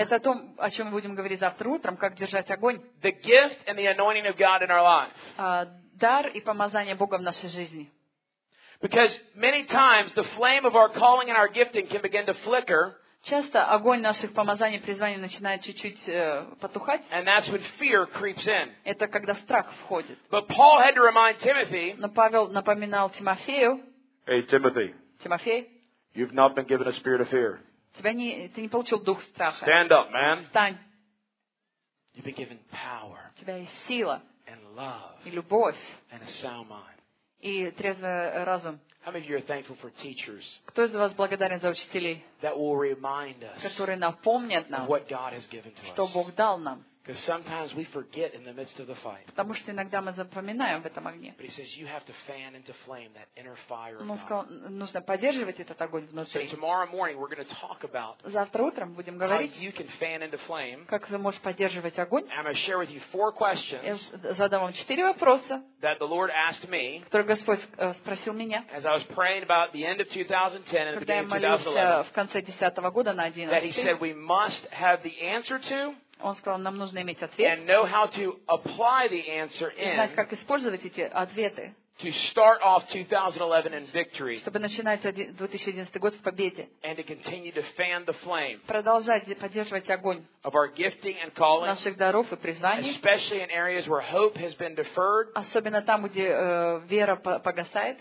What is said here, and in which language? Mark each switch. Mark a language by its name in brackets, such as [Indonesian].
[Russian] Это то, о чем мы будем говорить завтра утром, как держать огонь. [English] The gift and the anointing of God in our life. [Russian] Дар и помазание Бога в нашей жизни. [English] Because many times the flame of our calling and our gifting can begin to flicker. [Russian] Часто огонь наших помазаний и призваний начинает чуть-чуть потухать. [English] And that's when fear creeps in. [Russian] Это когда страх входит. [English] But Paul had to remind Timothy. [Russian] Но Павел напоминал Тимофею. [English] Hey, Timothy. [Russian] Тимофей. [English] You've not been given a spirit of fear. [Russian] Ты не получил дух страха. [English] Stand up, man. [Russian] Встань. [English] You've been given power. [Russian] У тебя есть сила. [English] And love. [Russian] И любовь. [English] And a sound mind. [Russian] И трезвый разум. [English] How many of you are thankful for teachers? [Russian] Кто из вас благодарен за учителей? Которые напомнят нам, [English] what God has given to us. [Russian] Что Бог дал нам. [English] Because sometimes we forget in the midst of the fight. [Russian] Потому что иногда мы запоминаем в этом огне. [English] But he says you have to fan into flame that inner fire. [Russian] Нужно поддерживать этот огонь внутри. [English] So tomorrow morning we're going to talk about. [Russian] Завтра утром будем говорить. [English] How you can fan into flame. [Russian] Как ты можешь поддерживать огонь? [English] I'm going to share with you four questions. [Russian] Я задам вам четыре вопроса. [English] That the Lord asked me. [Russian] Которые Господь спросил меня. [English] As I was praying about the end of 2010 and the beginning of 2011. [Russian] Когда я молился в конце 2010 года на 2011. [English] That he said we must have the answer to. [Russian] Он сказал, нам нужно иметь ответ. [English] And know how to apply the answer in. [Russian] И знать, как использовать эти ответы. [English] To start off 2011 in victory. [Russian] Чтобы начинать 2011 год в победе. [English] And to continue to fan the flame. [Russian] Продолжать поддерживать огонь. [English] Of our gifting and calling. [Russian] Наших даров и призваний. [English] Especially in areas where hope has been deferred. [Russian] Особенно там, где вера погасает.